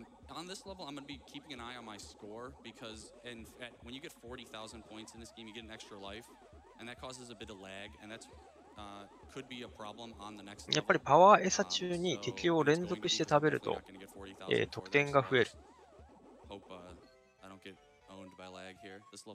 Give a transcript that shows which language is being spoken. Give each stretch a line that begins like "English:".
English: On this level, I'm going to be keeping an eye on my score because when you get 40,000 points in this game, you get an extra life, and that causes a bit of lag, and that's could be a problem on the next level.
Japanese: やっぱりパワー餌中に敵を連続して食べると、得点が増える。
English: Hope I don't get owned by lag here.